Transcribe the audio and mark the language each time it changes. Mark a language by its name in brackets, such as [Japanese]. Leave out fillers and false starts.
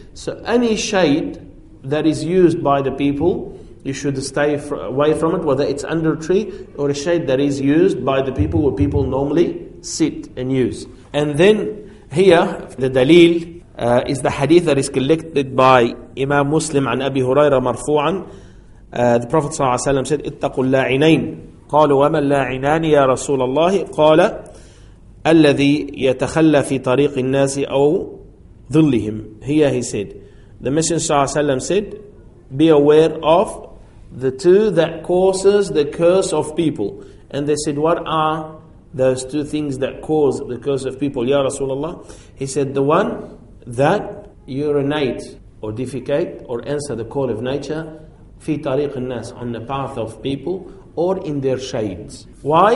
[English] So any shade that is used by the people, you should stay away from it, whether it's under a tree or a shade that is used by the people where people normally sit and use. And then here, the dalil is the hadith that is collected by Imam Muslim [Arabic] عن أبي هريرة مرفوعا. The Prophet صلى الله عليه وسلم said, اتقوا اللاعنين. قالوا وما اللاعنان يا رسول الله؟ قال الذي يتخلى في طريق الناس أو ظلهم. [English] Here he said, the Messenger صلى الله عليه وسلم said, be aware of the two that causes the curse of people. And they said, what are those two things that cause the curse of people, Ya Rasulullah? He said, the one that urinate or defecate or answer the call of nature, [Arabic] في طريق الناس, [English] on the path of people, or in their shades. Why?